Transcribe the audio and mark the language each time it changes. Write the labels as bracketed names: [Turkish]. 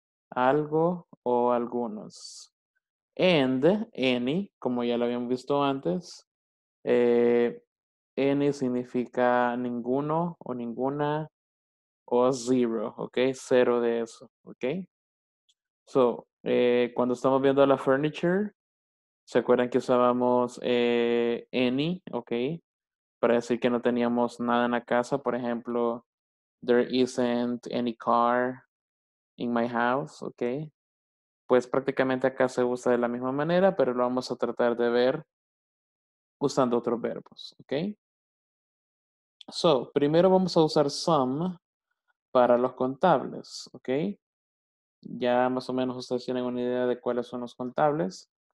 [Spanish] Algo o algunos. And, any, como ya lo habíamos visto antes, any significa ninguno o ninguna o zero, ok. Cero de eso, ok. So, cuando estamos viendo la furniture, ¿se acuerdan que usábamos any, ok? Para decir que no teníamos nada en la casa. Por ejemplo, [English] there isn't any car in my house, ok? [Spanish] Pues prácticamente acá se usa de la misma manera, pero lo vamos a tratar de ver usando otros verbos, ok? So, primero vamos a usar some para los contables, ok? Ya más o menos ustedes tienen una idea de cuáles son los contables.